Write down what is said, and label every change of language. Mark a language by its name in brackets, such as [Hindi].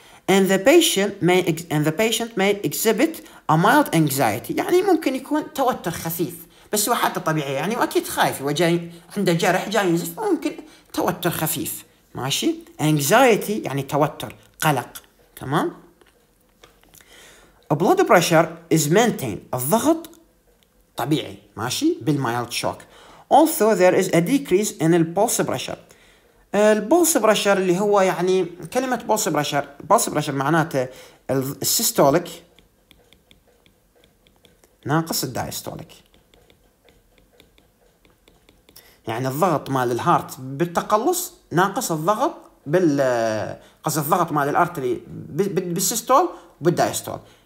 [English] And the patient may exhibit a mild anxiety، [Arabic] يعني ممكن يكون توتر خفيف بس هو حتى طبيعي، يعني واكيد خايف وجاي عنده جرح جاي ينزف، ممكن توتر خفيف ماشي. anxiety يعني توتر قلق. تمام. [English] A blood pressure is maintained، [Arabic] الضغط طبيعي ماشي بال [English] mild shock. Although there is a decrease in the pulse pressure، [Arabic] البولس برشر اللي هو يعني كلمة بولس برشر، بولس برشر معناته السيستوليك ناقص الدايستوليك، يعني الضغط مال الهارت بالتقلص ناقص الضغط بال قصد الضغط مال الارتري بالسيستول وبالدايستول.